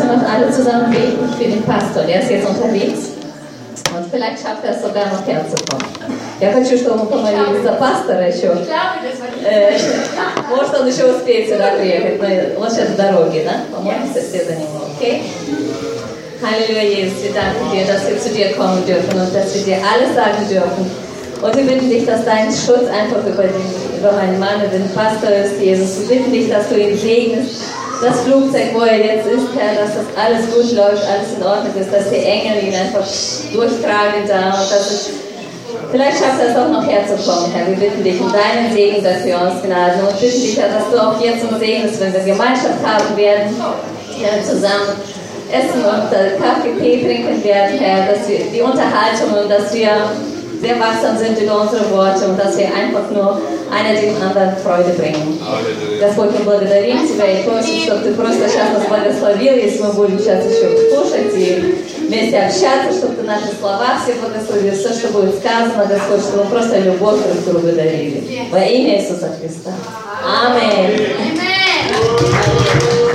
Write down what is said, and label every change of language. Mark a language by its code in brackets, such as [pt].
[de] alle zusammen beten für den Pastor. Der ist jetzt unterwegs. Und vielleicht schafft er es sogar noch herzukommen. [ru] Я хочу, чтобы мы помолились за пастора еще. Может, он еще успеет сюда приехать, но он сейчас в дороге, да? Помолимся все за него, окей? Аллилуйя, Иисус, и дам тебе, что мы сюда [de] kommen dürfen, [ru] и что мы тебе [de] alle sagen dürfen. Und wir bitten dich, dass dein Schutz einfach über meinen Mann, den Pastor ist, Jesus. Wir bitten dich, dass du ihn segnest. Das Flugzeug, wo er jetzt ist, Herr, dass das alles gut läuft, alles in Ordnung ist, dass die Engel ihn einfach durchtragen da. Und dass es vielleicht schafft er es auch noch herzukommen, Herr. Wir bitten dich um deinen Segen dafür, uns Gnaden. Und bitten dich, Herr, dass du auch jetzt uns segnest, wenn wir Gemeinschaft haben werden, Herr, zusammen essen und Kaffee, Tee trinken werden, Herr, dass wir die Unterhaltung und dass wir sehr wachsam sind in unsere Worte und dass wir einfach nur einer dem anderen Freude bringen. Das wollte ich dir sagen, weil ich hoffe, dass du [ru] просто сейчас нас благословил, если мы будем сейчас еще кушать и вместе общаться, чтобы ты наши слова все благословил, все, что будет сказано, Господь, чтобы мы просто любовь друг другу дарили. Во имя Иисуса Христа. Аминь.